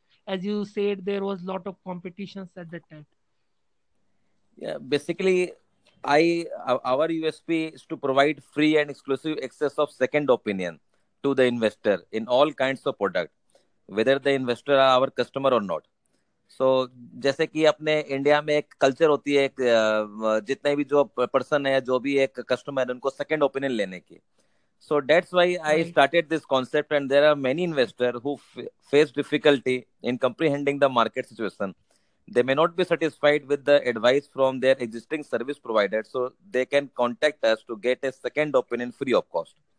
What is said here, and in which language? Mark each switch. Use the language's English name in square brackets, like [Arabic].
[English] As you said, there was a lot of competitions at that time. Yeah, basically, our USP is to provide free and exclusive access of second opinion to the investor in all kinds of product, whether the investor are our customer or not. [Hindi] So, जैसे कि अपने India में एक culture होती है, जितने भी जो पर्सन है, जो भी एक कस्टमर है, उनको सेकेंड ओपिनियन लेने की. [English] So, that's why I started this concept, and there are many investors who face difficulty in comprehending the market situation. They may not be satisfied with the advice from their existing service provider, so they can contact us to get a second opinion free of cost.